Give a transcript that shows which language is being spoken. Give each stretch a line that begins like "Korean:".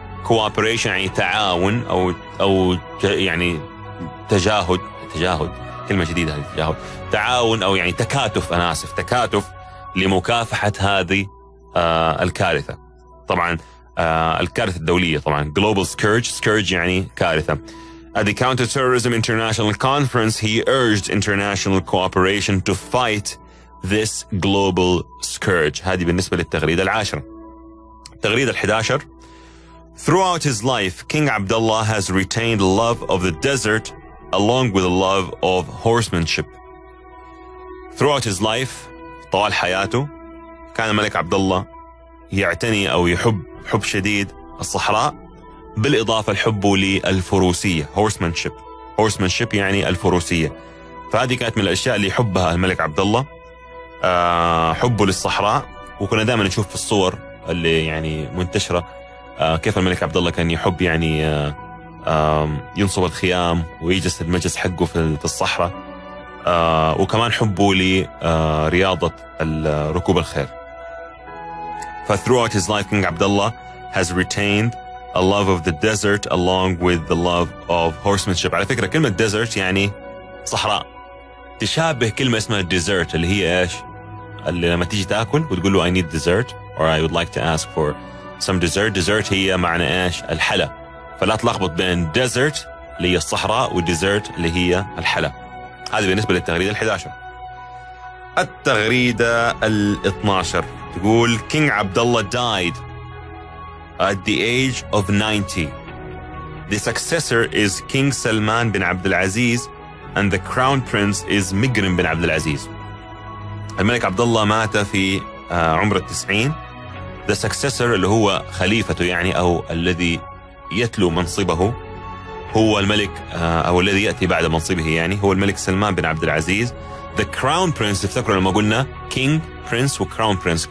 Arabic: cooperation يعني تعاون أو يعني تجاهد كلمة جديدة، تجاهد تعاون أو يعني تكاتف، أنا آسف، تكاتف لمكافحة هذه الكارثة. طبعا الكارثة الدولية، طبعا
English: global scourge. scourge
Arabic: يعني كارثة.
English: At the Counter-Terrorism International Conference, he urged international cooperation to fight this global scourge.
Arabic: هذه بالنسبة للتغريدة العاشرة. التغريدة الحداشر:
English: Throughout his life, King Abdullah has retained love of the desert along with a love of horsemanship. Throughout his life,
Arabic: طوال حياته كان الملك عبد الله يعتني أو يحب حب شديد الصحراء، بالإضافة لحبه للفروسية horsemanship. horsemanship يعني الفروسية. فهذه كانت من الأشياء اللي يحبها الملك عبد الله، حبه للصحراء. وكنا دائما نشوف في الصور اللي يعني منتشرة كيف الملك عبد الله كان يحب يعني ينصب الخيام ويجلس المجلس حقه في الصحراء، وكمان حبه لرياضة ركوب الخيل.
English: Throughout his life, King Abdullah has retained a love of the desert along with the love of horsemanship.
Arabic: على فكرة كلمة desert يعني صحراء، تشابه كلمة اسمها dessert اللي هي إيش؟ اللي لما تيجي تأكل وتقول له
English: I need dessert or I would like to ask for some dessert.
Arabic: dessert هي معنى إيش؟ الحلى. فلا تلخبط بين desert اللي هي الصحراء و dessert اللي هي الحلى. هذه بالنسبة للتغريدة الحداشر. التغريدة 12 تقول كينغ عبد الله
English: died at the age of 90. The successor is King Salman bin Abdul Aziz and the crown prince is Migrim bin Abdul Aziz.
Arabic: الملك عبد الله مات في عمر 90.
English: The successor
Arabic: اللي هو خليفته يعني أو الذي يتلو منصبه هو الملك أو الذي يأتي بعد منصبه يعني هو الملك سلمان بن عبد العزيز.
English: The crown prince
Arabic: افتكروا لما قلنا
English: king prince و crown prince.